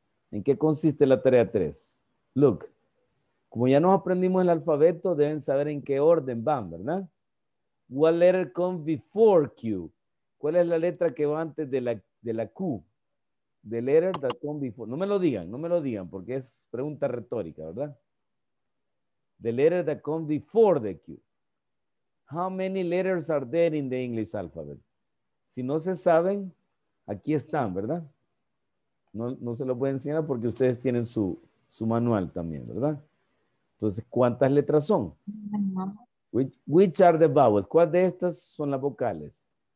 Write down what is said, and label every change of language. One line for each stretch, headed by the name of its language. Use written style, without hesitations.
Spanish: ¿En qué consiste la tarea 3? Look, como ya nos aprendimos el alfabeto, deben saber en qué orden van, ¿verdad?
English: What letter comes before Q?
Spanish: ¿Cuál es la letra que va antes de la Q?
English: The letter that comes before.
Spanish: No me lo digan, porque es pregunta retórica, ¿verdad?
English: The letter that comes before the Q. How many letters are there in the English alphabet?
Spanish: Si no se saben, aquí están, ¿verdad? No se los voy a enseñar porque ustedes tienen su manual también, ¿verdad? Entonces, ¿cuántas letras son?
English: Which are the vowels?
Spanish: ¿Cuál de estas son las vocales?